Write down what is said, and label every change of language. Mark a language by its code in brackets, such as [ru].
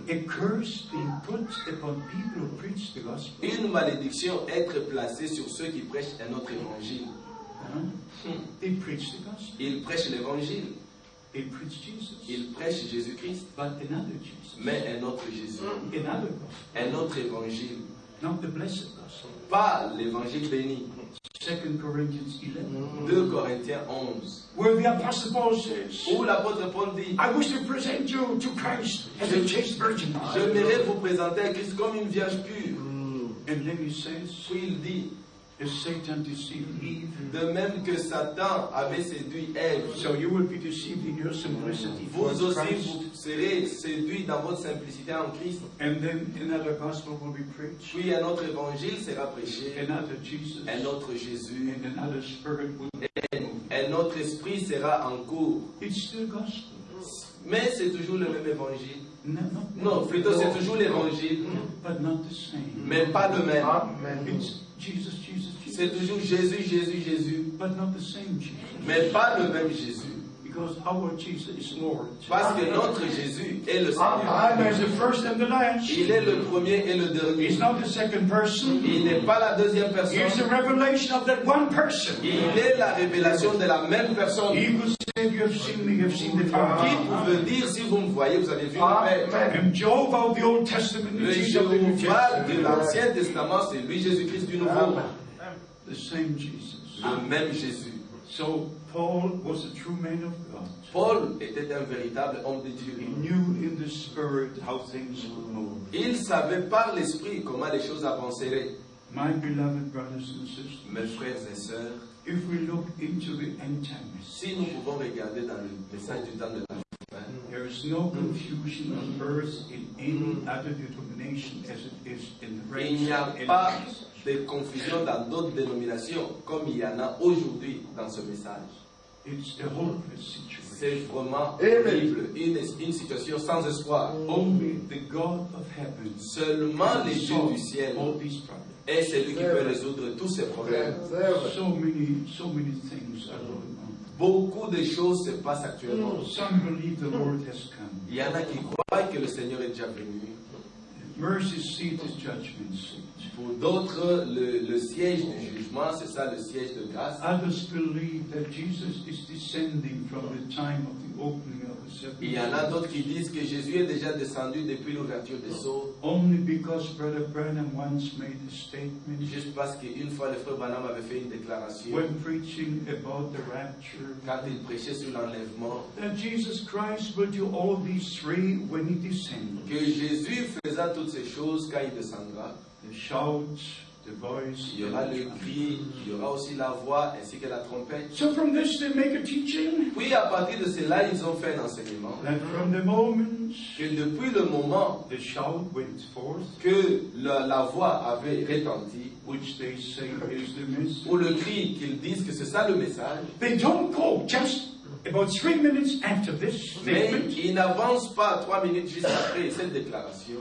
[en] A curse being put upon people who preach the gospel. [fr] Une malédiction être placée sur ceux qui prêchent un autre évangile. [en] They preach the gospel. [fr] Ils prêchent l'évangile. [en] They preach Jesus. [fr] Ils prêchent Jésus Christ. [en] But another Jesus. [fr] Mais un autre Jésus. [en] Another gospel. [fr] Un autre évangile. [en] Not the blessed gospel. [fr] Pas l'évangile béni. [en] 2 Corinthians 11. [fr] 2 Corinthiens 11. [en] Where the Apostle Paul says. [fr] Où l'apôtre Paul dit. [en] I wish to present you to Christ as a chaste virgin. [fr] J'aimerais vous présenter à Christ comme une vierge pure. [en] And then he says. [fr] Puis il dit. [en] If Satan deceived Eve. [fr] De même que Satan avait séduit Ève. [en] So you will be deceived in your simplicity. [fr] Vous aussi vous serez séduit dans votre simplicité en Christ. [en] And then another gospel will be preached. [fr] Puis un autre évangile sera prêché. [en] Another Jesus. [fr] Un autre Jésus. [en] And another spirit will be moved. [fr] Un autre esprit sera en cours. [en] It's still gospel. [fr] Mais c'est toujours le même évangile. [en] No, [fr] plutôt c'est toujours l'évangile. [en] But not the same. [fr] Mais pas de même. [en] Amen. It's Jesus, Jesus, Jesus. [fr] C'est toujours Jésus, Jésus, Jésus. [en] But not the same Jesus. [fr] Mais pas le même Jésus. [en] Because our Jesus is Lord. [fr] Parce que notre Jésus est le Seigneur. [en] Amen. He's the first and the last. [fr] Il est le premier et le dernier. [en] He's not the second person. [fr] Il n'est pas la deuxième personne. [en] He's the revelation of that one person. [fr] Il est la révélation de la même personne. [en] He could say, if you have seen me, you have seen the Father. [fr] Qui pouvait dire, si vous me voyez, vous avez vu le Père. [en] And Jehovah of the Old Testament, [fr] le Jehovah de l'Ancien Testament, c'est lui Jésus-Christ du Nouveau. [en] The same Jesus. [fr] Le même Jésus. [en] So, Paul was a true man of God. [fr] Paul était un véritable homme de Dieu. [en] He knew in the spirit how things would move. [fr] Il savait par l'esprit comment les choses avanceraient. [en] My beloved brothers and sisters. [fr] Mes frères et sœurs. [en] If we look into the end time. [fr] Si nous pouvons regarder dans le message du temps de la fin. [en] There is no confusion on earth in any other denomination as it is in the rapture. [fr] Des confusions dans d'autres dénominations comme il y en a aujourd'hui dans ce message. C'est vraiment horrible, une situation sans espoir. [en] Only the God of heaven. [fr] Seulement le Dieu du ciel est celui qui peut résoudre tous ces problèmes. [en] So many things are going on. [fr] Beaucoup de choses se passent actuellement. [en] Some believe the Lord has come. [fr] Il y en a qui croient que le Seigneur est déjà venu. [en] Mercy seat is judgment seat. [fr] Pour d'autres, le siège du jugement, c'est ça, le siège de grâce. [en] Others believe that Jesus is descending from the time of the opening of the seven. [fr] Il y en a d'autres qui disent que Jésus est déjà descendu depuis l'ouverture des sceaux. [en] Only because Brother Branham once made a statement. [fr] Juste parce qu'une fois le frère Branham avait fait une déclaration. [en] When preaching about the rapture. [fr] Quand il prêchait sur l'enlèvement. [en] That Jesus Christ will do all these three when he descends. [fr] Que Jésus faisait toutes ces choses quand il descendra. [en] The shout, the voice, [fr] il y aura le cri, il y aura aussi la voix ainsi que la trompette. [en] So from this they make a teaching. [fr] Puis à partir de cela ils ont fait un enseignement. [en] That from the moment, [fr] que depuis le moment, [en] the shout went forth, [fr] que la voix avait retenti, [en] which they say is the message, [fr] ou le cri qu'ils disent que c'est ça le message. [en] They don't go just about 3 minutes after this statement. [fr] Mais ils n'avancent pas 3 minutes juste après cette déclaration.